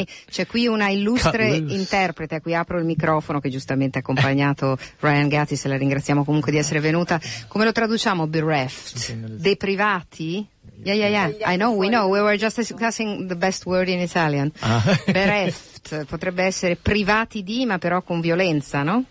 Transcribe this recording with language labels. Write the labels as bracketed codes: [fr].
[it] C'è qui una illustre interprete, a cui apro il microfono, che giustamente ha accompagnato Ryan Gatiss, e la ringraziamo comunque di essere venuta. Come lo traduciamo? Bereft. Deprivati? Yeah. [en] We were just discussing the best word in Italian. Bereft. [it] Potrebbe essere privati di, ma però con violenza, no?